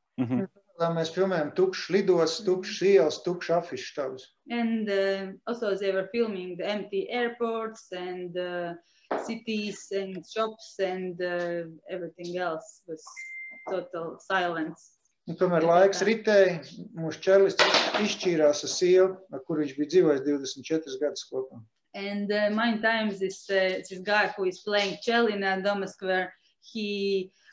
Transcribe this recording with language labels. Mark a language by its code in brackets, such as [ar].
[en] Mm-hmm. And also they were filming the empty airports and cities and shops and everything else was total silence. [lv] Un tomēr laiks ritēja, mūsu čerlists izšķīrās ar sievu, ar kuru viņš bija dzīvojis 24 gadus kopā. [en] And my time, this guy who is playing cello in Doma Square, he